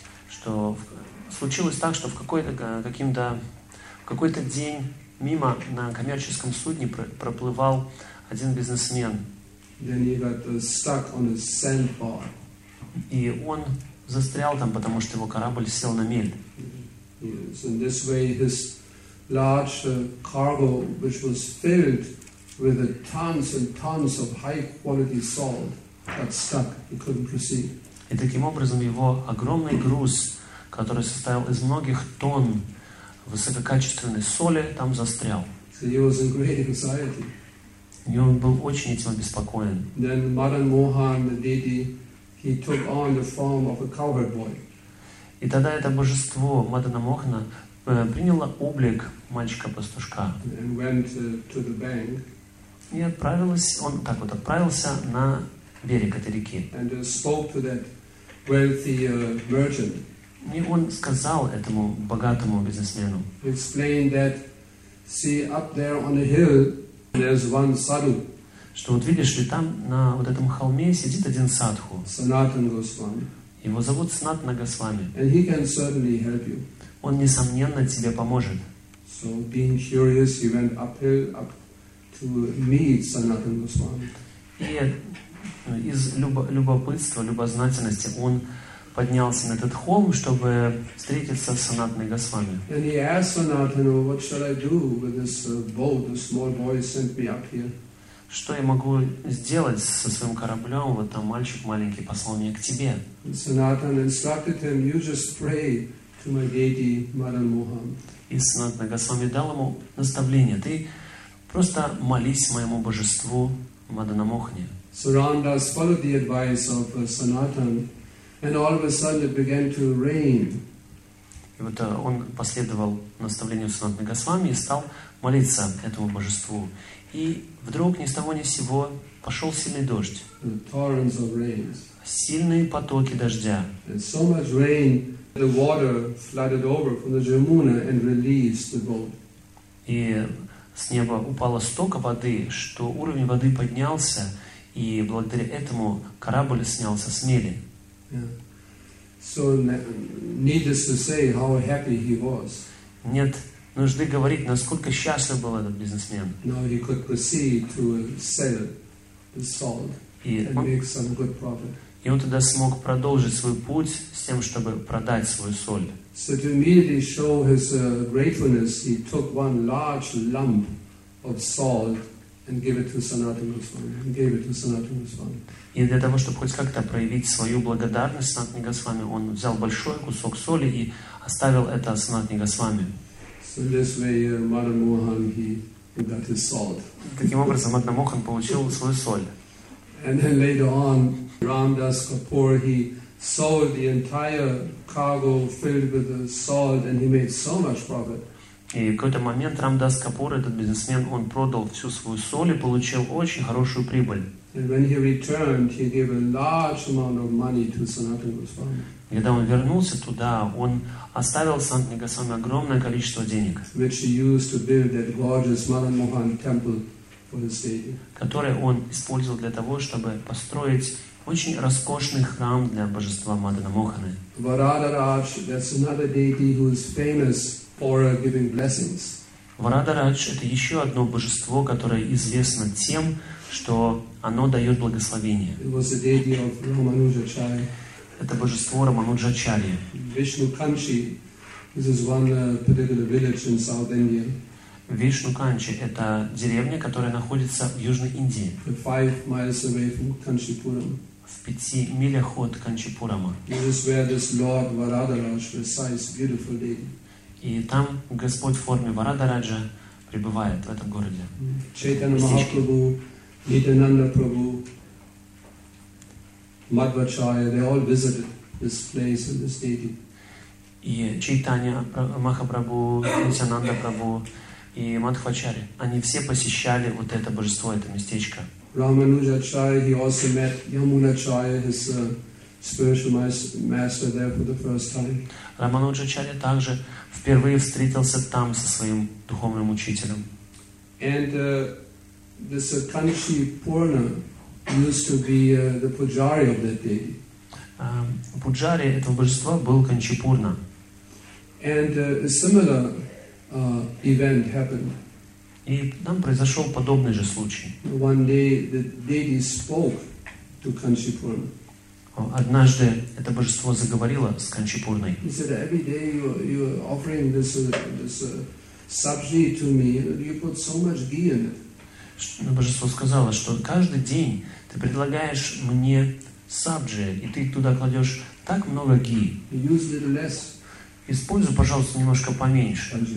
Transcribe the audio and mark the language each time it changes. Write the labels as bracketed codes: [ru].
[ru] Что случилось так, что в какой-то день мимо на коммерческом судне проплывал один бизнесмен. [en] Then he got stuck on a sandbar. [ru] И он застрял там, потому что его корабль сел на мель. [en] Yes. In this way, his large cargo, which was filled with tons and tons of high-quality salt, got stuck. He couldn't proceed. [ru] И таким образом его огромный груз, который состоял из многих тонн высококачественной соли, там застрял. [en] So he was in great anxiety. [ru] И он был очень этим обеспокоен. [en] Then Madan Mohan Devi, he took on the form of a cowherd boy. [ru] И тогда это божество Мадана Мохана приняло облик мальчика-пастушка. [en] And went to the bank. [ru] И отправилось, он так вот отправился на берег этой реки. [en] And spoke to that wealthy merchant. [ru] И он сказал этому богатому бизнесмену. [en] Explained that, see, up there on the hill, there's one sadhu. [ru] Что вот видишь ли, там на вот этом холме сидит один садху. [en] Sanatana Goswami. [ru] Его зовут Санатана Госвами. [en] And he can certainly help you. [ru] Он несомненно тебе поможет. [en] So being curious, he went uphill up to meet Sanatana Goswami. [ru] И из любопытства, любознательности, он поднялся на этот холм, чтобы встретиться с Санатаной Госвами. [en] And he asked Sanatana, what should I do with this boat? The small boy sent me up here. [ru] Что я могу сделать со своим кораблем? Вот там мальчик маленький послал меня к тебе. [en] Sanatana instructed him, you just pray to my deity, Madan Mohan. [ru] и Санатана Госвами дал ему наставление. Ты просто молись моему божеству Маданамохне. [en] Сурандас followed the advice of Sanatan, and all of a sudden it began to rain. [ru] И вот он последовал наставлению Санатана Госвами и стал молиться этому божеству. И вдруг ни с того ни с сего пошел сильный дождь. [en] The torrents of rain. [ru] Сильные потоки дождя. [en] And so much rain, the water flooded over from the Jamuna and released the boat. [ru] И с неба упало столько воды, что уровень воды поднялся, и благодаря этому корабль снялся с мели. [en] So, needless to say, how happy he was. [ru] Нет нужды говорить, насколько счастлив был этот бизнесмен. [en] Now he could proceed to sell the salt and make some good profit. [ru] И он тогда смог продолжить свой путь с тем, чтобы продать свою соль. [en] So to immediately show his gratefulness, he took one large lump of salt and gave it to Sanatana Goswami. [ru] И для того, чтобы хоть как-то проявить свою благодарность Санатане Госвами, он взял большой кусок соли и оставил это Санатане Госвами. [en] So this way, Madan Mohan, he got his salt. [ru] Таким образом, Мадан Мохан получил свою соль. [en] And then later on, Ramdas Kapoor, he sold the entire cargo filled with the salt, and he made so much profit. [ru] И в какой-то момент Рамдас Капур, этот бизнесмен, он продал всю свою соль и получил очень хорошую прибыль. [en] And when he returned, he gave a large amount of money to Sanatana Goswami. [ru] Когда он вернулся туда, он оставил Санатане Госвами огромное количество денег, [en] which he used to build that gorgeous Madan Mohan temple for the state. [ru] Которое он использовал для того, чтобы построить очень роскошный храм для божества Мадана Моханы. [en] Варадарадж, that's another deity who is famous for giving blessings. [ru] Варадарадж — это еще одно божество, которое известно тем, что оно дает благословение. [en] It was the deity of Рамануджачари. [ru] Это божество Рамануджачари. [en] Вишнуканчи, this is one particular village in South India. [ru] Вишнуканчи — это деревня, которая находится в Южной Индии. [en] 5 miles away from Канчипурам. [ru] В 5 милях от Канчипурама. [en] This is where this Lord Varadaraj resides beautifully. [ru] И там Господь в форме Варадараджа пребывает в этом городе. [en] Чайтанья Махапрабху, Нитянанда Прабху, Мадвачарья, they all visited this place and this deity. [ru] И Чайтанья Махапрабху, Нитянанда Прабху и Мадхвачари, они все посещали вот это божество, это местечко. [en] Рамануджачарья, he also met Ямуначарья, his spiritual master there for the first time. [ru] Рамануджачарья также впервые встретился там со своим духовным учителем. [en] And this Kanchipurna used to be the pujari of that deity. [ru] Пуджари этого божества был Канчипурна. [en] And a similar event happened. [ru] И там произошел подобный же случай. [en] One day the deity spoke to Kanchipurna. [ru] Однажды это божество заговорило с Канчипурной. [en] He said, every day you're offering this sabji to me, you put so much ghee in it. [ru] Божество сказало, что каждый день ты предлагаешь мне сабджи, и ты туда кладешь так много ги. [en] Use a little less. [ru] Используй, пожалуйста, немножко поменьше.